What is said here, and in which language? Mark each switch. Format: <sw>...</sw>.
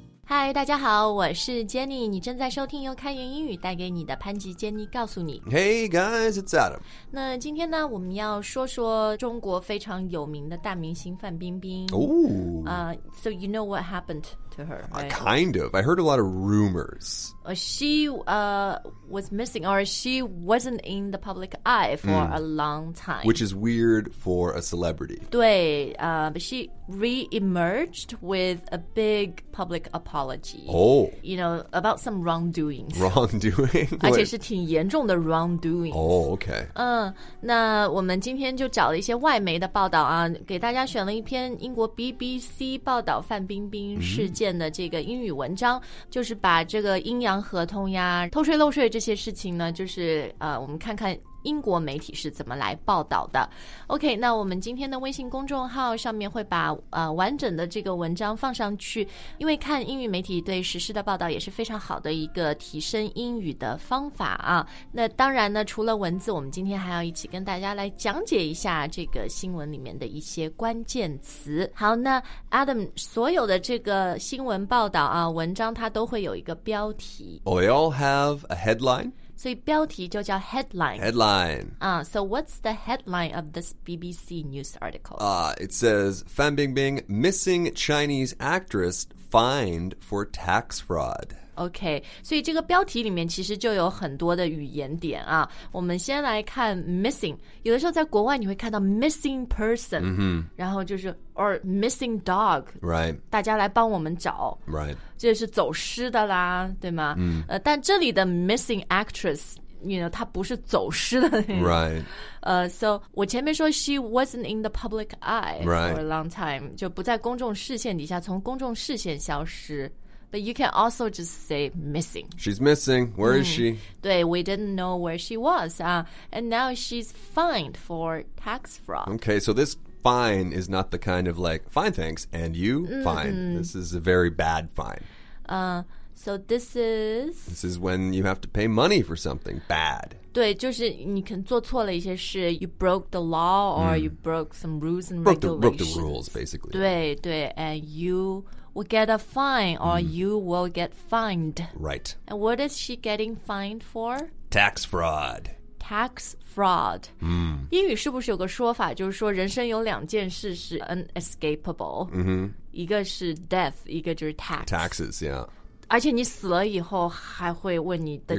<zh>嗨，大家好，我是 Jenny， 你正在收听由开源英语带给你的潘吉 Jenny 告诉你。</zh> <en>Hey guys, it's Adam.</en> <zh>那今天呢，我们要说说中国非常有名的大明星范冰冰。</zh> <en>So you know what happened to her, right? Kind of. I heard a lot of rumors. She was missing, or she wasn't in the public eye for a long time. Which is weird for a celebrity. 对，but she re-emerged with a big public apology. Oh. You know, about some wrongdoings. Wrongdoing?</en> <zh>而且是挺严重的 wrongdoings.</zh> <en>Oh, okay.</en> <zh>那我们今天就找了一些外媒的报道啊，给大家选了一篇英国 BBC 报道范冰冰事件的这个英语文章，就是把这个阴阳合同呀、偷税漏税这些事情呢，就是我们看看英国媒体是怎么来报道的。 OK， 那我们今天的微信公众号上面会把完整的这个文章放上去，因为看英语媒体对时事的报道也是非常好的一个提升英语的方法啊。那当然呢，除了文字，我们今天还要一起跟大家来讲解一下这个新闻里面的一些关键词。好，那 Adam， 所有的这个新闻报道啊，文章它都会有一个标题。</zh> <en>We all have a headline.</en> <zh>所以标题就叫 headline.</zh> <en>Headline. So what's the headline of this BBC news article? It says, Fan Bingbing, missing Chinese actress fined for tax fraud.</en> <zh>Okay, 所以这个标题里面其实就有很多的语言点啊。我们先来看 missing. 有的时候在国外你会看到 missing person,、 mm-hmm. 然后就是</zh> <en>or missing dog. Right.</en> <zh>大家来帮我们找。</zh> <en>Right.</en> <zh>这是走失的啦，对吗？但这里的</zh> <en>missing actress, you know,</en> <zh>她不是走失的。</zh> <en>Right.</en> <zh>So, 我前面说</zh> <en>she wasn't in the public eye for a long time,</en> <zh>就不在公众视线底下，从公众视线消失。</zh> <en>But you can also just say missing. She's missing. Where is she? 对 we didn't know where she was. And now she's fined for tax fraud. Okay, so this... Fine is not the kind of like, fine, thanks, and you, fine. This is a very bad fine. So this is... This is when you have to pay money for something bad.</en> <zh>对，就是你可能做错了一些事</zh> <en>you broke the law or you broke some rules and regulations. Broke the rules, basically. 对对 and you will get a fine or you will get fined. Right. And what is she getting fined for? Tax fraud. Tax fraud.</en> <zh>英语是不是有个说法就是说人生有两件事是 unescapable、一个是 death 一个就是 tax</zh> <en>taxes yeah</en> <zh>而且你死了以后还会问你的</zh>